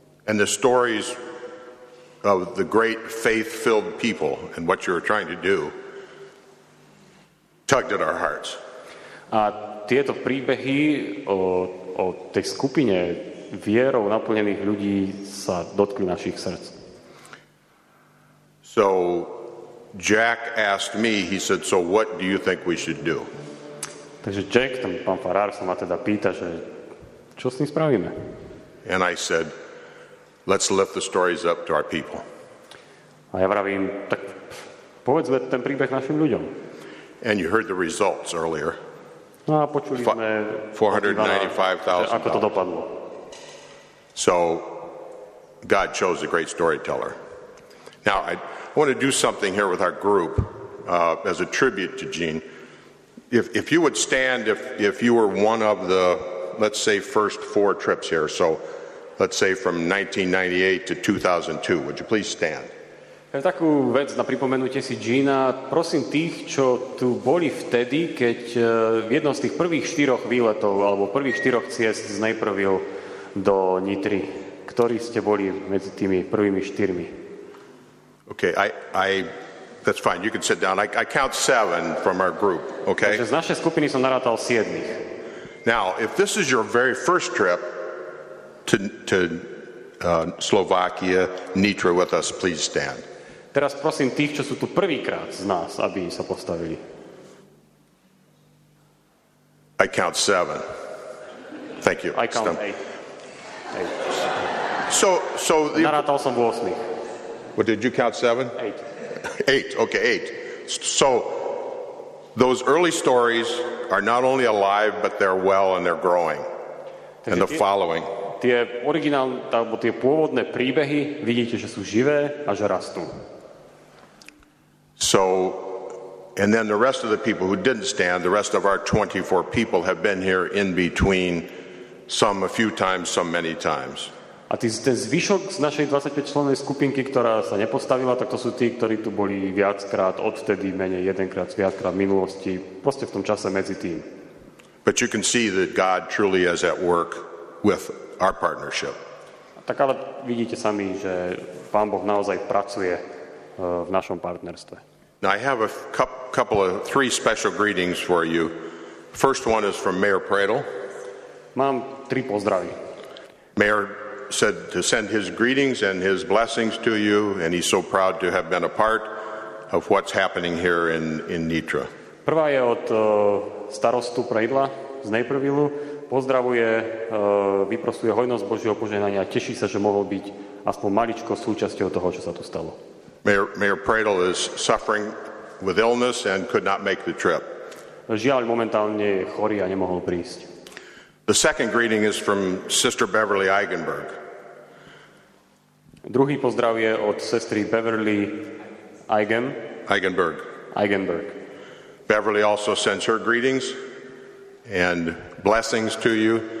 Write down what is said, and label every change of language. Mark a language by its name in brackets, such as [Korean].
[English] And the stories of the great faith-filled people and what you were trying to do tugged at our hearts. [Slovak] A tieto príbehy o tej skupine vierou naplnených ľudí sa dotkli našich srdc. [English] So Jack asked me, he said, so what do you think we should do? [Slovak] Takže Jack, ten pán farár, sa ma teda pýta, že čo s ním spravíme? [English] And I said, let's lift the stories up to our people. [Slovak] A ja vravím, tak povedzme ten príbeh našim ľuďom. [English] And you heard the results earlier. [Slovak] No a počuli sme, ako to dopadlo. [English] So God chose a great storyteller. Now I want to do something here with our group. as a tribute to Gene. If you would stand, if you were one of the, let's say, first four trips here, so let's say from 1998 to 2002, would you please stand? [Slovak] Chcem takú vec na pripomenutie si Gina. Prosím tých, čo tu boli vtedy, keď v jednom z tých prvých štyroch výletov alebo prvých štyroch ciest z Naperville do Nitry, ktorí ste boli medzi tými prvými štyrmi? [English] Okay, I that's fine. You can sit down. I count seven from our group, okay? [Slovak] Takže z našej skupiny som narátal siedmich. [English] Now, if this is your very first trip to Slovakia, Nitra with us, please stand. [Slovak] Teraz prosím tých, čo sú tu prvýkrát z nás, aby sa postavili. [English] I count seven. Thank you. I count eight. So [Slovak] the... Narátal som v osmich. [English] What, did you count seven? Eight. Eight, okay, eight. So those early stories are not only alive, but they're well and they're growing. Takže and the following. [Slovak] Tie originálne, alebo tie pôvodné príbehy, vidíte, že sú živé a že rastú. [English] So, and then the rest of the people who didn't stand, the rest of our 24 people have been here in between, some a few times, some many times. [Slovak] A ten zvyšok z našej 25-člennej skupinky, ktorá sa nepostavila, tak to sú tí, ktorí tu boli viackrát odtedy, menej jedenkrát, viackrát v minulosti, proste v tom čase medzi tým. [English] But you can see that God truly is at work with our partnership. [Slovak] Tak ale vidíte sami, že Pán Boh naozaj pracuje v našom partnerstve. [English] Now I have a couple of three special greetings for you. First one is from Mayor Pradel. [Slovak] Mám tri pozdravy. [English] Mayor said to send his greetings and his blessings to you, and he's so proud to have been a part of what's happening here in Nitra. [Slovak] Prvá je od starostu Pradela z Naperville. Pozdravuje, vyprosuje hojnosť Božieho požehnania a teší sa, že mohol byť aspoň maličko súčasťou toho, čo sa tu stalo. [English] Mayor Pradel is suffering with illness and could not make the trip. [Slovak] Žiaľ, momentálne je chorý a nemohol prísť. [English] The second greeting is from Sister Beverly Eigenberg. [Slovak] Druhý pozdrav je od sestry Beverly Eigenberg. [English] Beverly also sends her greetings and blessings to you.